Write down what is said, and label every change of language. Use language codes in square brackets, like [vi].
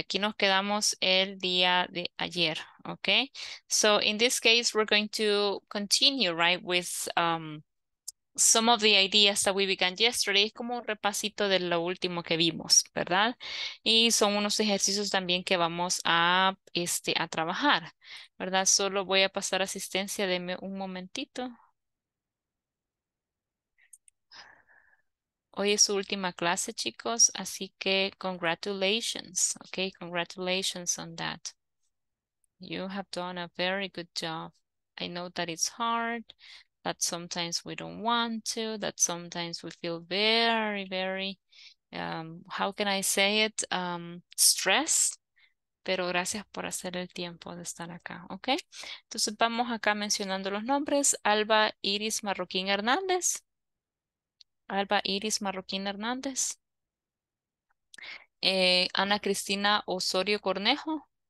[es] Aquí nos quedamos el día de ayer, okay? [en] So in this case, we're going to continue, right, with some of the ideas that we began yesterday. [es] Es como un repasito de lo último que vimos, ¿verdad? Y son unos ejercicios también que vamos a, a trabajar, ¿verdad? Solo voy a pasar asistencia, denme un momentito. Hoy es su última clase, chicos, así que congratulations, okay? [en] Congratulations on that. You have done a very good job. I know that it's hard, that sometimes we don't want to, that sometimes we feel very, very, how can I say it, stressed. [es] Pero gracias por hacer el tiempo de estar acá, ¿ok? Entonces vamos acá mencionando los nombres. Alba Iris Marroquín Hernández. Alba Iris Marroquín Hernández. Ana Cristina Osorio Cornejo.